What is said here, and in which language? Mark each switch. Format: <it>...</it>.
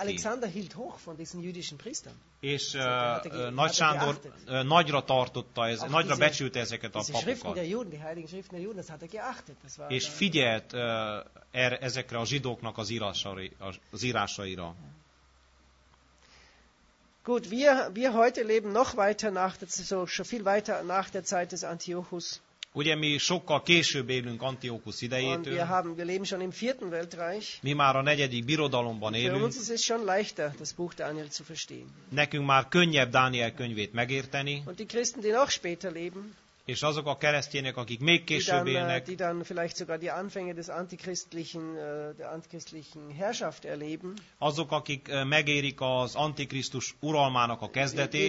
<de>Alexander hielt hoch von diesen jüdischen Priestern.</de> <hu>És Nagy Sándor nagyra tartotta, nagyra becsülte ezeket a papokat.</hu> <de>Schriften der Juden, die heiligen Schriften der Juden, das hat er geachtet. Das</de> <hu>war és figyelt ezekre a zsidóknak az írásaira.</hu> <de>Gut, wir heute leben noch weiter nach der so schon viel weiter nach der Zeit des Antiochus.</de> <hu>Ugye mi sokkal később élünk Antiochus idejétől.</hu> <de>Wir leben schon im vierten Weltreich.</de> <hu>Mi már a negyedik birodalomban élünk.</hu> <de>Für uns ist es schon leichter, das Buch Daniel zu verstehen.</de> <hu>Nekünk már könnyebb Dániel könyvét megérteni.</hu> <de>Und die Christen, die noch später leben.</de> <hu>És azok a keresztények, akik még később élnek.</hu> <de>Die dann vielleicht sogar die Anfänge des antichristlichen, der antichristlichen Herrschaft erleben.</de> <hu>Azok, akik megérik az antikrisztus uralmának a kezdetét.</hu>